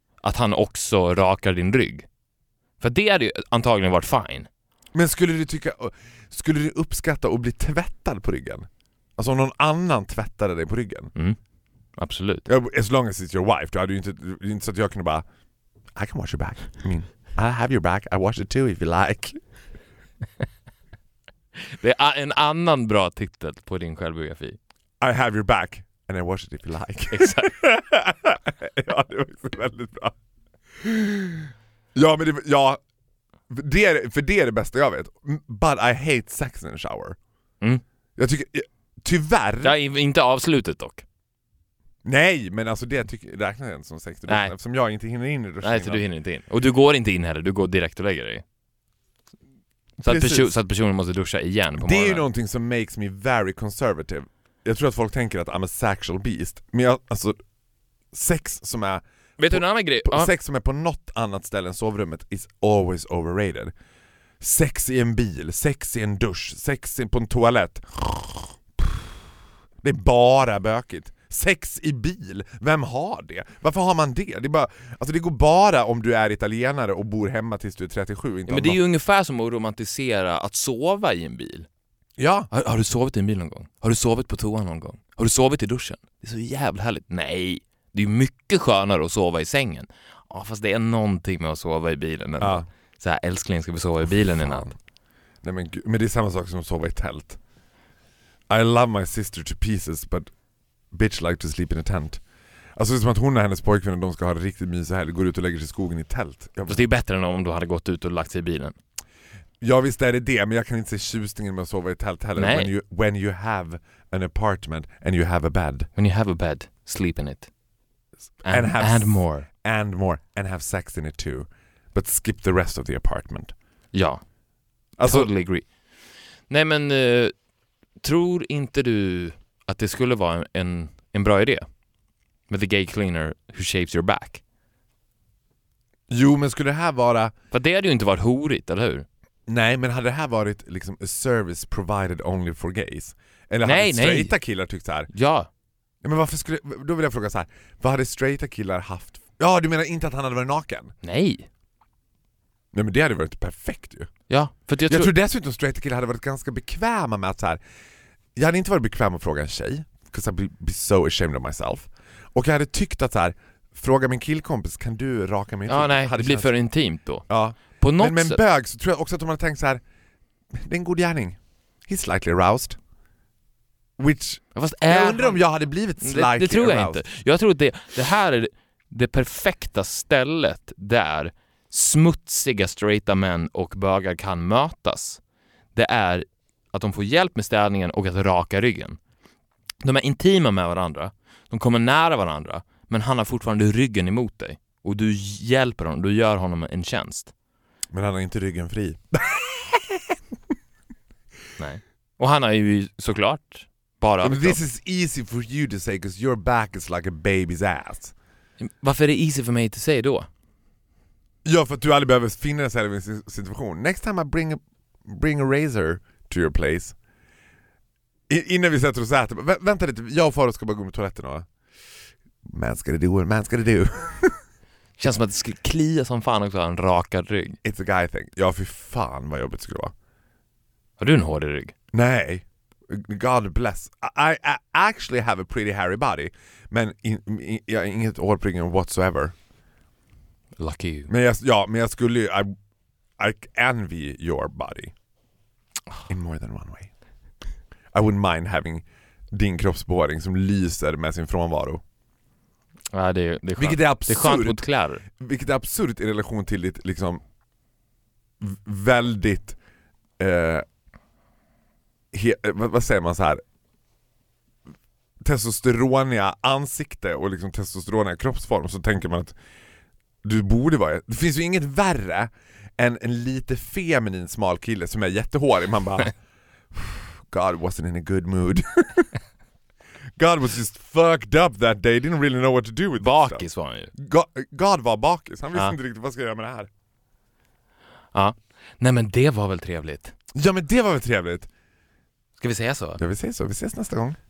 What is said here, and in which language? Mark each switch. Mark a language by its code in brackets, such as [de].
[sv] Att han också rakar din rygg. För det hade ju antagligen varit fine. Men skulle du tycka, skulle du uppskatta att bli tvättad på ryggen? Alltså om någon annan tvättade dig på ryggen? Mm, absolut. [en] As long as it's your wife. [sv] Du hade ju inte, det är inte så att jag kunde bara, [en] I can wash your back. I mean, I have your back. I wash it too if you like. [sv] Det är en annan bra titel på din självbiografi. [en] I have your back and I wash it if you like. [sv] Exakt. Ja, det var också väldigt bra. Ja, men det, ja, det är, för det är det bästa jag vet. [en] But I hate sex in the shower. Mm. [sv] Jag tycker, tyvärr. Ja, inte avslutet dock. Nej, men alltså det tycker jag räknas inte som sex. Nej. Eftersom jag inte hinner in i duschen. Nej, så du hinner inte in. Och du går inte in heller, du går direkt och lägger dig. Så att, så att personen måste duscha igen på morgonen. Det är ju någonting som [en] makes me very conservative. [sv] Jag tror att folk tänker att [en] I'm a sexual beast. [sv] Men jag, alltså, sex som är... Vet du en annan grej? På, sex som är på något annat ställe än sovrummet [en] is always overrated. [sv] Sex i en bil, sex i en dusch, sex på en toalett. Det är bara bökigt. Sex i bil, vem har det? Varför har man det? Det är bara, alltså det går bara om du är italienare och bor hemma tills du är 37. Inte, ja, men det är ju ungefär som att romantisera att sova i en bil. Ja. Har du sovit i en bil någon gång? Har du sovit på toan någon gång? Har du sovit i duschen? Det är så jävla härligt. Nej, det är mycket skönare att sova i sängen. Ja, fast det är någonting med att sova i bilen. Ja. Så här, älskling, ska vi sova i bilen i natt? Nej, men, gud, men det är samma sak som att sova i tält. [en] I love my sister to pieces, but bitch like to sleep in a tent. [sv] Alltså det är som att hon och hennes pojkvän, de ska ha riktigt mysig helg, går ut och lägger sig i skogen i tält. Fast det är bättre än om du hade gått ut och lagt sig i bilen. Ja, visst är det det, men jag kan inte se tjusningen med att sova i tält heller. Nej. [en] When you have an apartment and you have a bed. When you have a bed, sleep in it. And more. And more. And have sex in it too. But skip the rest of the apartment. [sv] Ja. Alltså, [en] totally agree. [sv] Nej, men tror inte du att det skulle vara en bra idé med [en] the gay cleaner who shaves your back? [sv] Jo, men skulle det här vara... För det hade ju inte varit horigt, eller hur? Nej, men hade det här varit liksom [en] a service provided only for gays? [sv] Eller hade straighta killar tyckt så här? Ja. Ja. Men varför skulle... Då vill jag fråga så här. Vad hade straighta killar haft... Ja, du menar inte att han hade varit naken? Nej. Nej, men det hade varit perfekt ju. Ja, för jag tror dessutom straighta killar hade varit ganska bekväma med att så här... Jag hade inte varit bekväm att fråga en tjej. [en] Because I'd be so ashamed of myself. [sv] Och jag hade tyckt att så här, fråga min killkompis, kan du raka mig? Ja, nej, det blir för intimt då. Ja. På något men med bög så tror jag också att de hade tänkt så här, det är en god gärning. [en] He's slightly aroused. Which, [sv] fast jag undrar om jag hade blivit [en] slightly aroused. [sv] Det tror jag [en] aroused. [sv] Inte. Jag tror att det här är det perfekta stället där smutsiga straighta män och bögar kan mötas. Det är att de får hjälp med städningen och att raka ryggen. De är intima med varandra. De kommer nära varandra. Men han har fortfarande ryggen emot dig. Och du hjälper honom. Du gör honom en tjänst. Men han har inte ryggen fri. Nej. Och han har ju såklart bara... [en] But this is easy for you to say because your back is like a baby's ass. [sv] Varför är det easy för mig att säga då? Ja, för att du aldrig behöver finna dig själv i en situation. [en] Next time I bring a razor... to your place. [sv] Innan vi sätter oss och äter. Vänta lite, jag och Faro ska bara gå med toaletten och... Man ska det do. Känns som att det skulle klia som fan också, en rakad rygg. [en] It's a guy thing. [sv] Ja, för fan vad jobbigt skulle vara. Har du en hård rygg? [en] Nej. God bless. I actually have a pretty hairy body. [sv] Men jag har inget hård på ryggen whatsoever. [en] Lucky you. [sv] Men jag skulle ju... [en] I envy your body. In more than one way. I wouldn't mind having [sv] din kroppsbehåring som lyser med sin frånvaro. Ja, det är skönt. Vilket är absurt. Det är skönt mot kläder. Vilket är absurt i relation till ditt liksom väldigt vad säger man så här, testosteroniga ansikte och liksom testosteroniga kroppsform, så tänker man att du borde vara, det finns ju inget värre än en lite feminin smal kille som är jättehårig. Man bara [en] God wasn't in a good mood. God was just fucked up that day. Didn't really know what to do with [sv] bakis [en] this stuff. [sv] Var han ju. God var bakis. Han visste inte riktigt vad ska jag göra med det här. Ja. Nej, men det var väl trevligt. Ja, men det var väl trevligt. Ska vi säga så? Ja, vi säger så. Vi ses nästa gång.